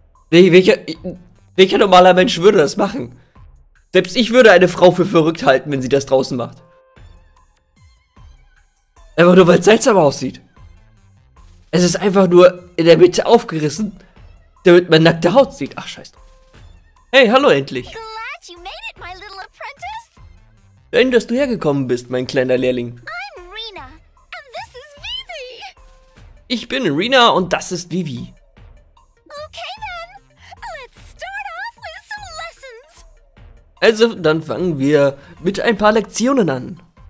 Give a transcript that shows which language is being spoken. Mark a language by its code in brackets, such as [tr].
[de] Welcher normaler Mensch würde das machen? Selbst ich würde eine Frau für verrückt halten, wenn sie das draußen macht. Einfach nur, weil es seltsam aussieht. Es ist einfach nur in der Mitte aufgerissen, damit man nackte Haut sieht. Ach, scheiß drauf. Hey, hallo endlich. [en] Glad you made it, my little apprentice. [de] Schön, dass du hergekommen bist, mein kleiner Lehrling. [en] I'm Rina, and this is Vivi. [de] Ich bin Rina und das ist Vivi. [en] Okay, then. Let's start off with some lessons. [de] Also, dann fangen wir mit ein paar Lektionen an.